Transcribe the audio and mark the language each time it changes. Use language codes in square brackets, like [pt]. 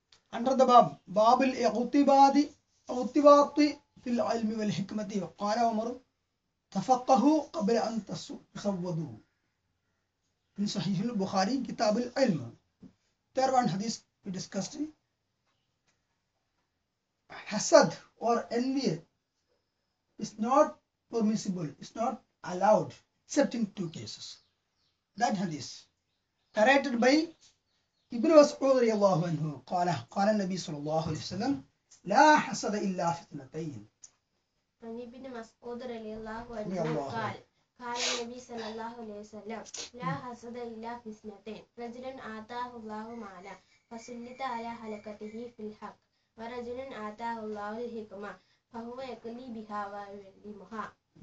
[en] Under the [ar] bab al-iqtibadi iqtibati في العلم والحكمة، وقال عمر تفقهوا قبل أن تصوضوا. من صحيح البخاري كتاب العلم. [en] There one hadith we discussed. Hasad or envy is not permissible, is not allowed, except in two cases. That hadith narrated by Ibn Mas'ud radiallahu anhu. [ar] قال قال النبي صلى الله عليه وسلم لا حسد إلا في اثنتين. عن ابن مسعود رضي الله عنه قال قال النبي صلى الله عليه وسلم لا حسد الا في اثنتين، رجل اعطاه الله مالا فسلط على هلكته في الحق، ورجل اعطاه الله الحكمه فهو يقلي بها ويعلمها.